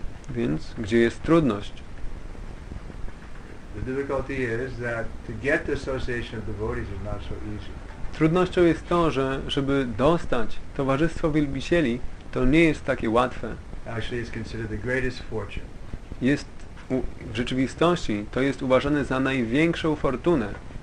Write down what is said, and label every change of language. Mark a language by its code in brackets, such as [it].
[pl] Więc gdzie jest trudność? [en] The difficulty is that to get the association of devotees is not so easy. [pl] Trudnością jest to, że żeby dostać towarzystwo wielbicieli, to nie jest takie łatwe. [en] Actually, it's considered the greatest fortune. [pl] Jest w rzeczywistości to jest uważane za największą fortunę.